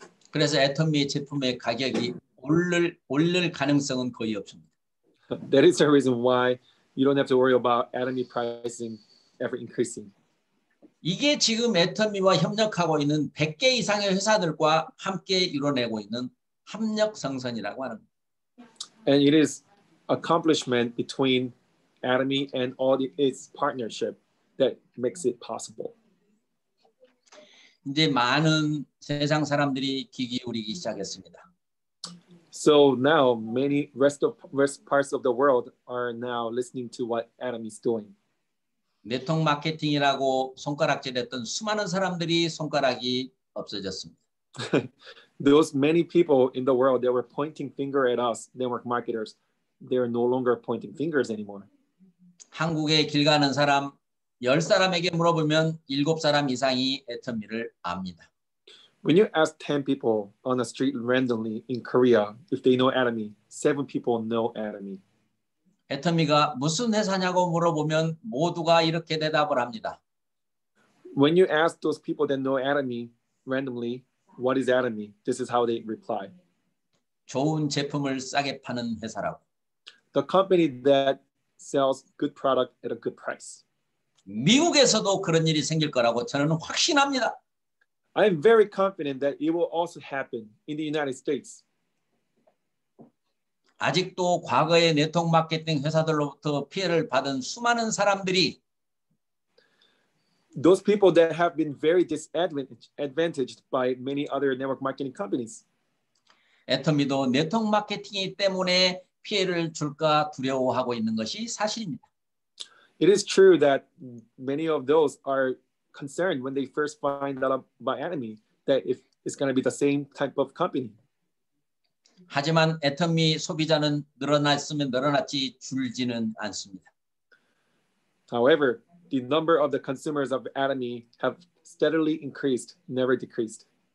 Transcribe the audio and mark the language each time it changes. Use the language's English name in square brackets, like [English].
[Korean] 그래서 애터미 제품의 가격이 오를 가능성은 거의 없습니다. [English] That is the reason why you don't have to worry about Atomy pricing ever increasing. [Korean] 이게 지금 애터미와 협력하고 있는 100개 이상의 회사들과 함께 이뤄내고 있는 합력 성선이라고 하는 겁니다. [English] And it is accomplishment between Atomy and all its partnership that makes it possible. [Korean] 이제 많은 세상 사람들이 귀 기울이기 시작했습니다. [English] So now many rest parts of the world are now listening to what Atomy is doing. [Korean] 네트워크 마케팅이라고 손가락질했던 수많은 사람들이 손가락이 없어졌습니다. [English] Those many people in the world that were pointing finger at us, network marketers, they are no longer pointing fingers anymore. [Korean] 한국에 길 가는 사람 열 사람에게 물어보면 일곱 사람 이상이 애터미를 압니다. [English] When you ask 10 people on the street randomly in Korea if they know Atomy, 7 people know Atomy. [Korean] 애터미가 무슨 회사냐고 물어보면 모두가 이렇게 대답을 합니다. [English] When you ask those people that know Atomy randomly, what is Atomy? This is how they reply. [Korean] 좋은 제품을 싸게 파는 회사라고. [English] The company that sells good product at a good price. [Korean] 미국에서도 그런 일이 생길 거라고 저는 확신합니다. [English] I am very confident that it will also happen in the United States. [Korean] 아직도 과거의 네트워크 마케팅 회사들로부터 피해를 받은 수많은 사람들이 [English] Those people that have been very disadvantaged by many other network marketing companies. [Korean] 애터미도 네트워크 마케팅 때문에 피해를 줄까 두려워하고 있는 것이 사실입니다. [English] It is true that many of those are concerned when they first find out by Atomy that if it's going to be the same type of company. [Korean] 하지만 애터미 소비자는 늘어났으면 늘어났지 줄지는 않습니다. [English] However, the number of the consumers of Atomy have steadily increased, never decreased.